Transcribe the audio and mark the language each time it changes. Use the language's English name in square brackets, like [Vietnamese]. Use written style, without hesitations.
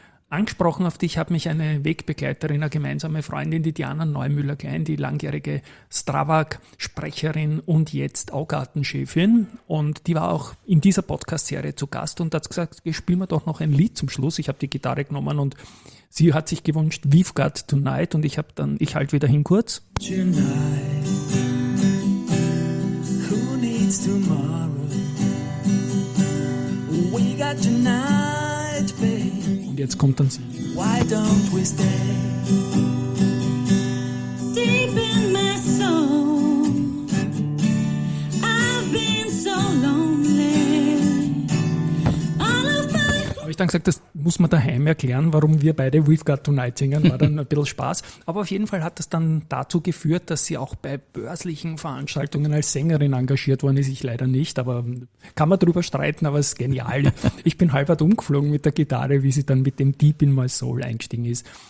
[German] Angesprochen auf dich hat mich eine Wegbegleiterin, eine gemeinsame Freundin, die Diana Neumüller-Klein, die langjährige Strava-Sprecherin und jetzt auch Gartenchefin. Und die war auch in dieser Podcast-Serie zu Gast und hat gesagt, spielen wir doch noch ein Lied zum Schluss. Ich habe die Gitarre genommen und sie hat sich gewünscht, We've Got Tonight. Und ich habe dann, ich halte wieder hin kurz. [English] Tonight, who needs tomorrow? We got tonight, babe. [German] Jetzt kommt dann sie. [English] Why don't we stay? Deep in my soul, I've been so lonely. All of my. [German] Habe ich dann gesagt, das muss man daheim erklären, warum wir beide We've Got Tonight singen. War dann ein bisschen Spaß. Aber auf jeden Fall hat das dann dazu geführt, dass sie auch bei börslichen Veranstaltungen als Sängerin engagiert worden ist. Ich leider nicht, aber kann man drüber streiten, aber es ist genial. Ich bin halb umgeflogen mit der Gitarre, wie sie dann mit dem Deep in My Soul eingestiegen ist.